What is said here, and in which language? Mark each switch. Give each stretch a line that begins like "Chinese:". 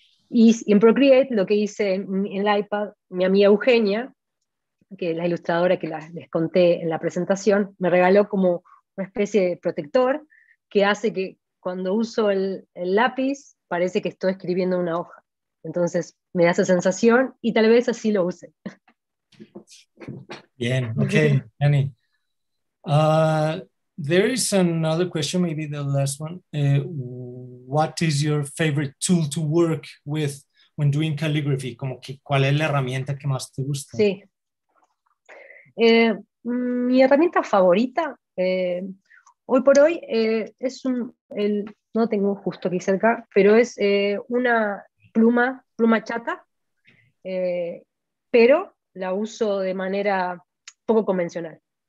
Spanish: Y en Procreate lo que hice en el iPad, mi amiga Eugenia, que la ilustradora que les conté en la presentación, me regaló como una especie de protector que hace que cuando uso el lápiz parece que estoy escribiendo una hoja. Entonces me da esa sensación y tal vez así lo use. Bien, okay, Jenny.
English: There is another question, maybe the last one. What is your favorite tool to work with when doing calligraphy?
Spanish: Como que, ¿cuál es la herramienta que más te gusta? Sí. Mi herramienta favorita hoy por hoy es no tengo justo aquí cerca, pero es una pluma chata, pero la uso de manera poco convencional.